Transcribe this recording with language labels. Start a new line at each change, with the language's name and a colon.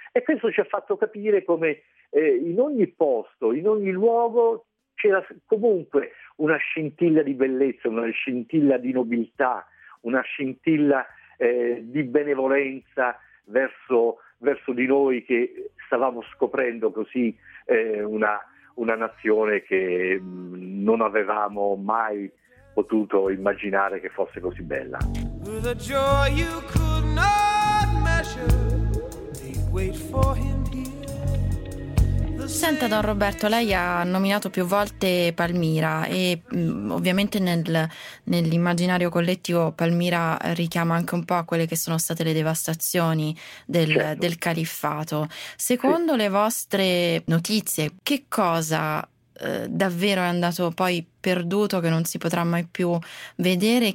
Italian: E questo ci ha fatto capire come in ogni posto, in ogni luogo, c'era comunque una scintilla di bellezza, una scintilla di nobiltà, una scintilla di benevolenza verso di noi che stavamo scoprendo così una nazione che non avevamo mai potuto immaginare che fosse così bella.
English: The joy you could not measure, they'd wait for him.
Italian: Senta, Don Roberto, lei ha nominato più volte Palmira e ovviamente nell'immaginario collettivo Palmira richiama anche un po' a quelle che sono state le devastazioni del califfato. Secondo le vostre notizie, che cosa davvero è andato poi perduto, che non si potrà mai più vedere?